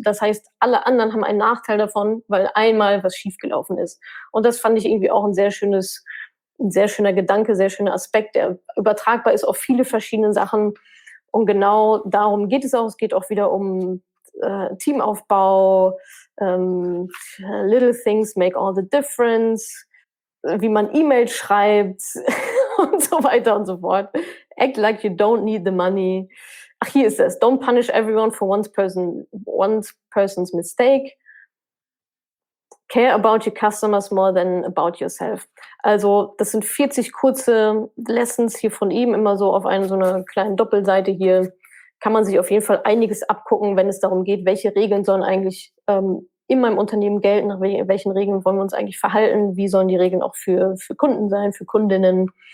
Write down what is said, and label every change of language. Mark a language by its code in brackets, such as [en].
[de] Das heißt, alle anderen haben einen Nachteil davon, weil einmal was schiefgelaufen ist. Und das fand ich irgendwie auch ein sehr schöner Gedanke, sehr schöner Aspekt, der übertragbar ist auf viele verschiedene Sachen. Und genau darum geht es auch. Es geht auch wieder um Teamaufbau. [en] Little things make all the difference. [de] Wie man E-Mails schreibt und so weiter und so fort. [en] Act like you don't need the money. [de] Ach, hier ist es. [en] Don't punish everyone for one person's mistake. Care about your customers more than about yourself. [de] Also, das sind 40 kurze Lessons hier von ihm, immer so auf einer so einer kleinen Doppelseite hier. Kann man sich auf jeden Fall einiges abgucken, wenn es darum geht, welche Regeln sollen eigentlich in meinem Unternehmen gelten, nach welchen Regeln wollen wir uns eigentlich verhalten, wie sollen die Regeln auch für Kunden sein, für Kundinnen.